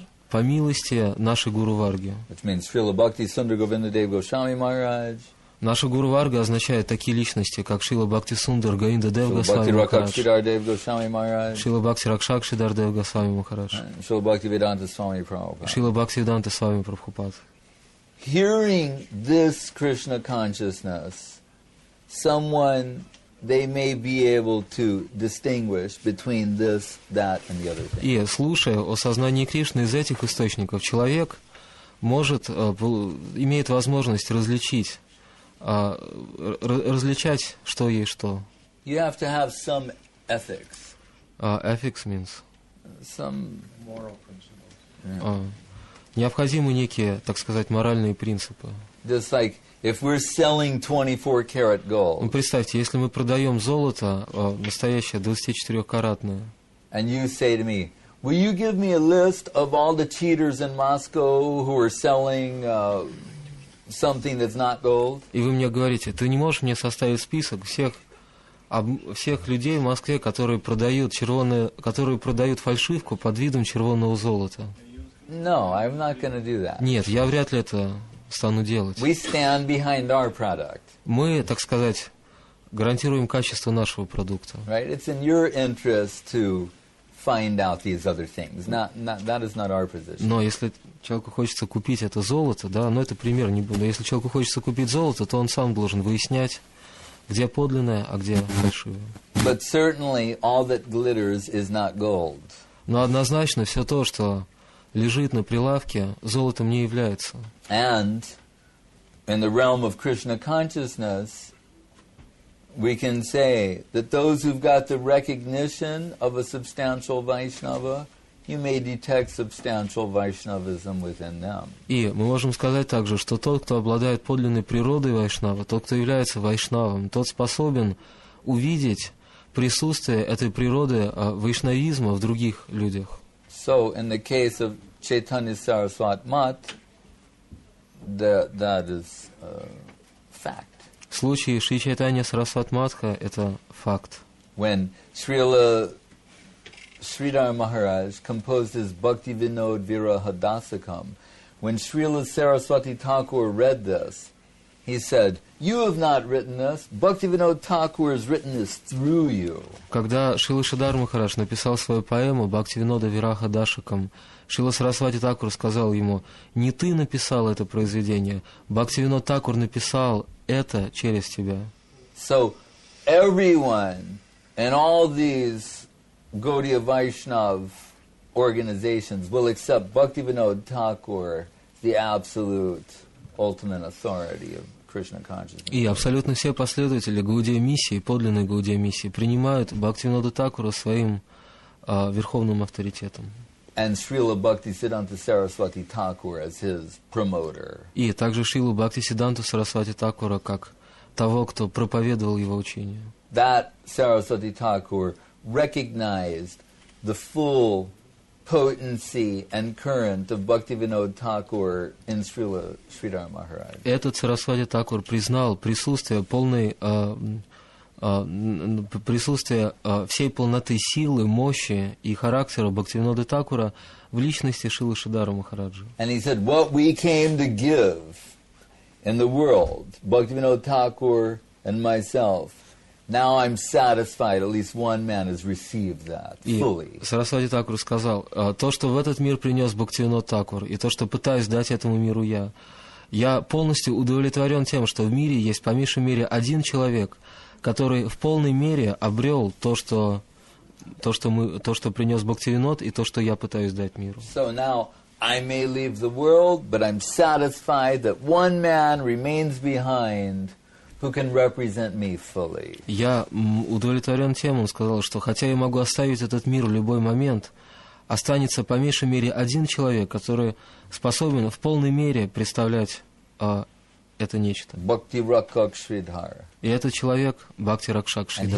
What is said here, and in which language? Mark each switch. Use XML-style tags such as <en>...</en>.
<ru>По милости нашей Гуру Варги.</ru> <en>Which means Srila Bhakti Sundar Govindadev Goswami Maharaj.</en> <ru>Наша Гуру Варга означает такие личности, как Шрила Бхакти Сундар, Говинда Дев Госвами Махарадж, Шрила Бхакти Ракшак Шридар Дев Госвами Махарадж, Шрила Бхакти Веданта Свами Прабхупад.</ru> <en>Hearing this Krishna consciousness, someone they may be able to distinguish between this, that, and the other thing.</en> <ru>И слушая о сознании Кришны из этих источников, человек имеет возможность различать, что есть что.</ru> <en>You have to have some ethics. Ethics means some moral principles. Yeah.</en> <ru>Необходимы некие, так сказать, моральные принципы.</ru> <en>Just like if we're selling 24-karat gold.</en> <ru>Ну, представьте, если мы продаем золото, настоящее 24-каратное.</ru> <en>And you say to me, will you give me a list of all the cheaters in Moscow who are selling something that's not gold?</en> <ru>И вы мне говорите, ты не можешь мне составить список всех людей в Москве, которые продают фальшивку под видом червонного золота?</ru> <en>No, I'm not going to do that.</en> <ru>Нет, я вряд ли это стану делать.</ru> <en>We stand behind our product.</en> <ru>Мы, так сказать, гарантируем качество нашего продукта.</ru> <en>Right? It's in your interest to find out these other things. Not that is not our position.</en> <ru>Но если человеку хочется купить это золото, да, но это пример не буду. Если человеку хочется купить золото, то он сам должен выяснять, где подлинное, а где фальшивое.</ru> <en>But certainly all that glitters is not gold.</en> <ru>Но однозначно все то, что лежит на прилавке, золотом не является.</ru> <en>And in the realm of Krishna consciousness, we can say that those who've got the recognition of a substantial Vaishnava, you may detect substantial Vaishnavism within them.</en> <ru>И мы можем сказать также, что тот, кто обладает подлинной природой Вайшнава, тот, кто является Вайшнавом, тот способен увидеть присутствие этой природы Вайшнавизма в других людях.</ru> <en>So in the case of Chaitanya Saraswat Mat, that is fact.</en> <ru>В случае Шри Чайтанья Сарасват Матха это факт.</ru> <en>When Sridhar Maharaj composed his Bhakti Vinod Viraha Dasakam, when Srila Saraswati Thakur read this, he said, "You have not written this. Bhakti Vinod Thakur has written this through you."</en> <ru>Когда Шрила Шридхар Махарадж написал свою поэму Бхакти Винода Вираха Дашакам, Шрила Сарасвати Такур сказал ему: "Не ты написал это произведение. Бхакти Винод Такур написал это через тебя."</ru> <en>So everyone and all these Gaudiya Vaishnav organizations will accept Bhakti Vinod Thakur the absolute ultimate authority of Krishna consciousness.</en> <ru>И абсолютно все последователи Гаудия миссии, подлинной Гаудия миссии, принимают Бхактивинода Такура своим верховным авторитетом.</ru> <en>And Srila Bhakti Siddhanta Saraswati Thakur as his promoter.</en> <ru>И также Шрилу Бхакти Сидданту Сарасвати Такура как того, кто проповедовал его учение.</ru> <en>That Saraswati Thakur recognized the full potency and current of Bhaktivinoda Thakur in Srila Sridhar Maharaj.</en> <ru>Этот Сарасвати Такур признал присутствие всей полноты силы, мощи и характера Бхактивинода Такура в личности Шрилы Шридхара Махараджи.</ru> <en>And he said, what we came to give in the world, Bhaktivinoda Thakur and myself, now I'm satisfied, at least one man has received that fully.</en> <ru>Сарасвати Такур сказал, то, что в этот мир принес Бхактивинод Такур, и то, что пытаюсь дать этому миру я полностью удовлетворен тем, что в мире есть по меньшей мере один человек, который в полной мере обрел то, что принес Бхактивинод, и то, что я пытаюсь дать миру.</ru> <en>So now I may leave the world, but I'm satisfied that one man remains behind who can represent me fully.</en> <ru>Я удовлетворен тем, он сказал, что хотя я могу оставить этот мир в любой момент, останется по меньшей мере один человек, который способен в полной мере представлять это нечто. Бхакти Ракшак Шридхар. И этот человек Бхакти Ракшак Шридхар.</ru>